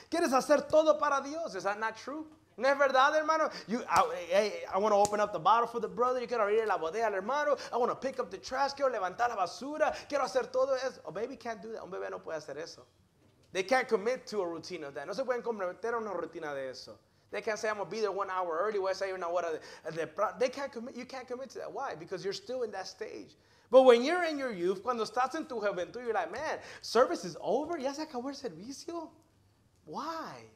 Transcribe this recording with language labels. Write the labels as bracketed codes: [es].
[es] ¿Quieres hacer todo para Dios? [en] Is that not true? [es] ¿No es verdad, hermano? [en] I want to open up the bottle for the brother. [es] Yo quiero abrir la bodega al hermano. [en] I want to pick up the trash. [es] Quiero levantar la basura. Quiero hacer todo eso. [en] A baby can't do that. [es] Un bebé no puede hacer eso. [en] They can't commit to a routine of that. [es] No se pueden comprometer a una rutina de eso. [en] They can't say, I'm going to be there 1 hour early. [es] Voy a salir una hora de [en] they can't commit. You can't commit to that. Why? Because you're still in that stage. But when you're in your youth, [es] cuando estás en tu juventud, [en] you're like, man, service is over? [es] ¿Ya se acabó el servicio? [en] Why?